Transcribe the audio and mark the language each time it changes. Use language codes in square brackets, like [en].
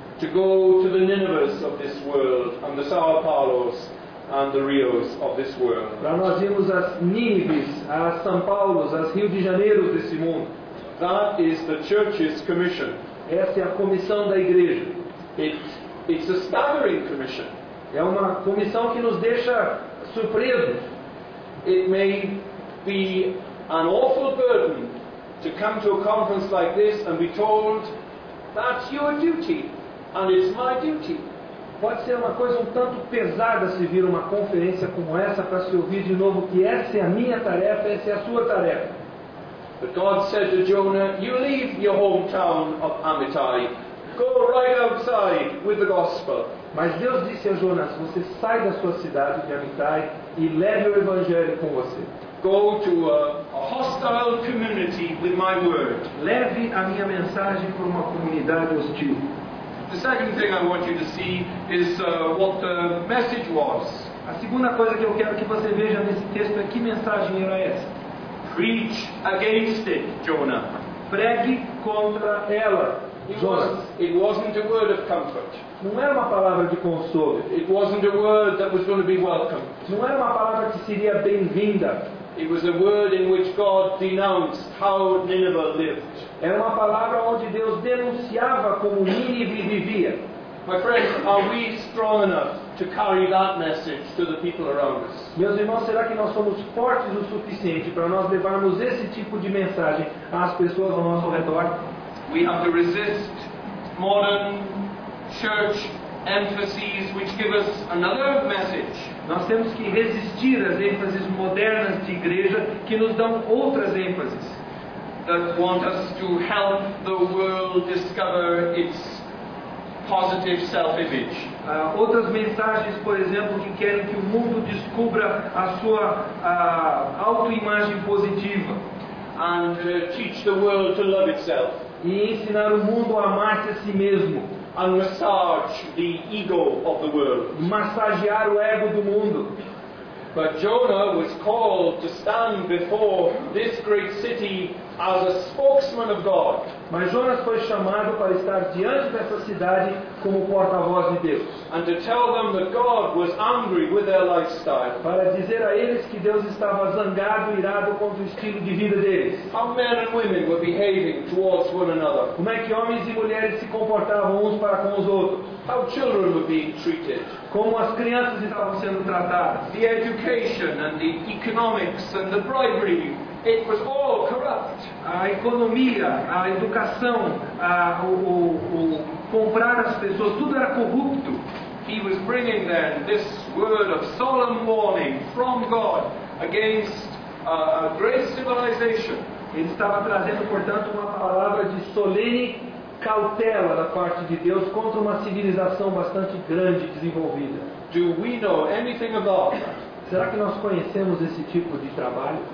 [en] To go to the Ninevehs of this world and the São Paulos and the Rios of this world. [pt] Para nós irmos às Nínives, às São Paulos, às Rio de Janeiro desse mundo. [en] That is the church's commission. [pt] Essa é a comissão da igreja. [en] It's a staggering commission. [pt] É uma comissão que nos deixa surpresos. [en] It may be an awful burden to come to a conference like this and be told, that's your duty and it's my duty. [pt] Pode ser uma coisa um tanto pesada se vir uma conferência como essa para se ouvir de novo que essa é a minha tarefa, essa é a sua tarefa. [en] But God said to Jonah, you leave your hometown of Amittai. Go right outside with the gospel. [pt] Mas Deus disse a Jonas, você sai da sua cidade de Amittai e leve o evangelho com você. [en] Go to a hostile community with my word. [pt] Leve a minha mensagem para uma comunidade hostil. [en] The second thing I want you to see is what the message was. [pt] A segunda coisa que eu quero que você veja nesse texto é que mensagem era essa. [en] Preach against it, Jonah. [pt] Pregue contra ela. [en] It wasn't a word of comfort. [pt] Não era uma palavra de consolo. [en] It wasn't a word that was going to be welcome. [pt] Não era uma palavra que seria bem-vinda. [en] It was a word in which God denounced how Nineveh lived. [pt] Era uma palavra onde Deus denunciava como Nínive vivia. [en] My friends, are we strong enough to carry that message to the people around us? [pt] Meus irmãos, será que nós somos fortes o suficiente para nós levarmos esse tipo de mensagem às pessoas ao nosso redor? [en] We have to resist modern church emphases which give us another message. [pt] Nós temos que resistir às ênfases modernas de igreja que nos dão outras ênfases. [en] That want us to help the world discover its positive self-image. [pt] Outras mensagens, por exemplo, que querem que o mundo descubra a sua autoimagem positiva. [en] And teach the world to love itself. [pt] E ensinar o mundo a amar-se a si mesmo. [en] And massage the ego of the world. [pt] Massagear o ego do mundo. [en] But Jonah was called to stand before this great city as a spokesman of God. [pt] Mas Jonas foi chamado para estar diante dessa cidade como porta-voz de Deus. [en] And to tell them that God was angry with their lifestyle. [pt] Para dizer a eles que Deus estava zangado e irado contra o estilo de vida deles. [en] How men and women were behaving towards one another. [pt] Como é que homens e mulheres se comportavam uns para com os outros? [en] How children were being treated. [pt] Como as crianças estavam sendo tratadas. [en] The education and the economics and the bribery. It was all corrupt. [pt] A economia, a educação, o comprar as pessoas, tudo era corrupto. [en] He was bringing then this word of solemn warning from God against a great civilization. [pt] Ele estava trazendo, portanto, uma palavra de solene cautela da parte de Deus contra uma civilização bastante grande desenvolvida. [en] Do we know anything about that? [pt] Será que nós conhecemos esse tipo de trabalho?